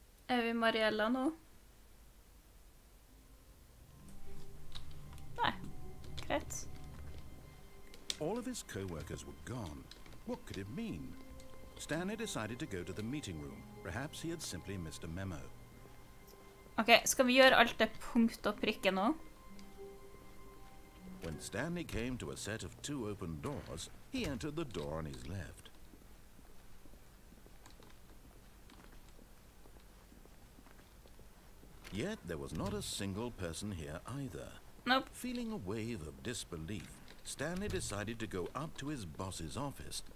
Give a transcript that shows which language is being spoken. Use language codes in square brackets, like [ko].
[en] Are we Mariella now? [no] Nei. [en] Great. All of his co-workers were gone. What could it mean? Stanley decided to go to the meeting room. Perhaps he had simply missed a memo. [no] Okay, skal vi gjøre alt det punkt og prikke nå? [en] When Stanley came to a set of two open doors, he entered the door on his left. Yet there was not a single person here either. Nope. Feeling a wave of disbelief, Stanley decided to go up to his boss's office.